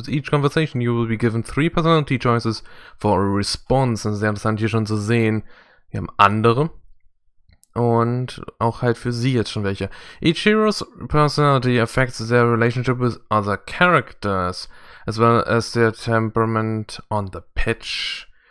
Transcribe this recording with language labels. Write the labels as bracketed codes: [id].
[en] With each conversation, you will be given 3 personality choices for a response. [de] Und sehr interessant hier schon zu sehen, wir haben andere. Und auch halt für sie jetzt schon welche. [en] Each hero's personality affects their relationship with other characters, as well as their temperament on the pitch.